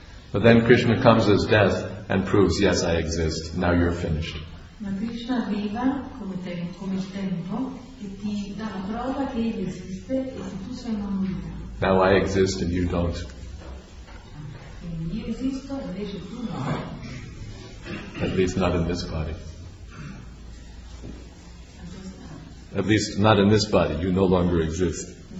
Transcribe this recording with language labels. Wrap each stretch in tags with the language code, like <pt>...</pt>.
<en>But then Krishna comes as death and proves, yes, I exist. Now you're finished.</en> <it>Ma Krishna arriva come tempo, come il tempo, e ti dà la prova che egli esiste e che tu sei una nullità.</it> <en>Now I exist and you don't.</en> <it>Quindi io esisto e invece tu no.</it> <en>At least not in this body. At least not in this body, you no longer exist.</en>